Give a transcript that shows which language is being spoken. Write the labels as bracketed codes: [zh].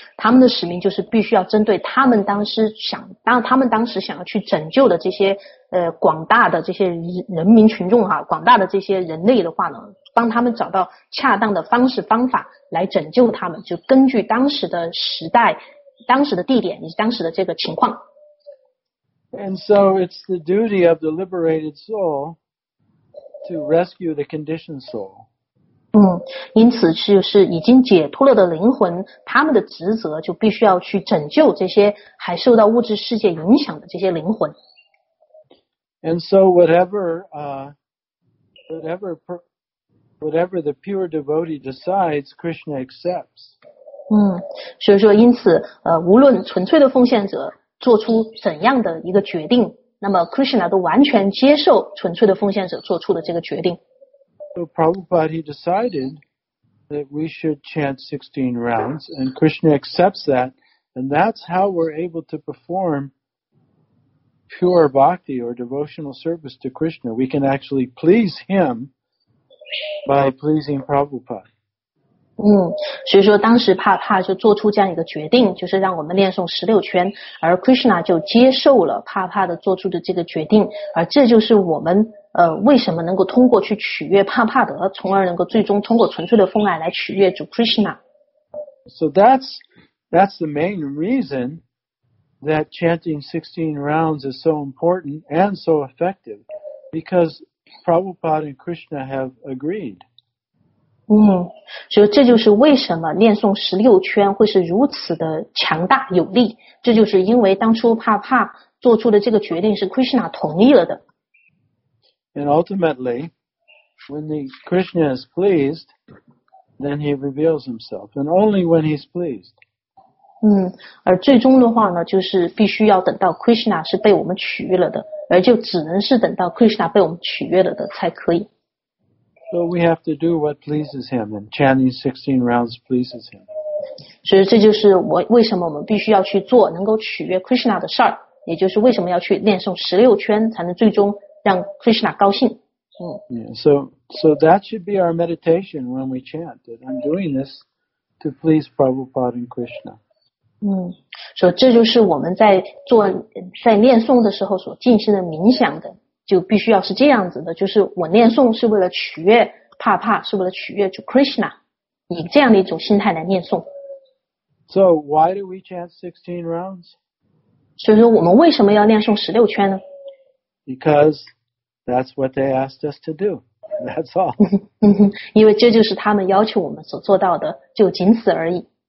[zh] 他们的使命就是必须要针对他们当时想当他们当时想要去拯救的这些广大的这些人民群众哈，广大的这些人类的话呢，帮他们找到恰当的方式方法来拯救他们，就根据当时的时代、当时的地点以及当时的这个情况。 [en] And so it's the duty of the liberated soul. To rescue the conditioned soul. [zh] 因此就是已经解脱了的灵魂，他们的职责就必须要去拯救这些还受到物质世界影响的这些灵魂。 [en] And so whatever the pure devotee decides, Krishna accepts. [zh] 所以说因此无论纯粹的奉献者做出怎样的一个决定。那么 Krishna 都完全接受纯粹的奉献者做出的这个决定。 [en] So Prabhupada decided that we should chant 16 rounds, and Krishna accepts that, and that's how we're able to perform pure bhakti or devotional service to Krishna. We can actually please him by pleasing Prabhupada. [zh] 所以说当时帕就做出这样一个决定，就是让我们念诵十六圈，而 Krishna 就接受了帕的做出的这个决定，而这就是我们为什么能够通过去取悦帕德，从而能够最终通过纯粹的奉爱来取悦主 Krishna。 [en] So that's the main reason that chanting 16 rounds is so important and so effective, because Prabhupada and Krishna have agreed. [zh] 所以这就是为什么念诵十六圈会是如此的强大有力，这就是因为当初帕做出的这个决定是 Krishna 同意了的。 [en] And ultimately, when the Krishna is pleased, then he reveals himself, and only when he's pleased. [zh] 而最终的话呢，就是必须要等到 Krishna 是被我们取悦了的，而就只能是等到 Krishna 被我们取悦了的才可以。 [en] So we have to do what pleases him, and chanting 16 rounds pleases him. [zh] 所以这就是为什么我们必须要去做能够取悦 Krishna 的事儿，也就是为什么要去练诵16圈才能最终让 Krishna 高兴。 [en] So that should be our meditation when we chant, that I'm doing this to please Prabhupada and Krishna. [zh] 所以这就是我们在练诵的时候所进行的冥想的。就必须要是这样子的，就是我念诵是为了取悦帕，是为了取悦主 Krishna， 以这样的一种心态来念诵。 [en] So why do we chant 16 rounds？ [zh] 所以说我们为什么要念诵十六圈呢 [en] ？Because that's what they asked us to do. That's all. [zh] 因为这就是他们要求我们所做到的，就仅此而已。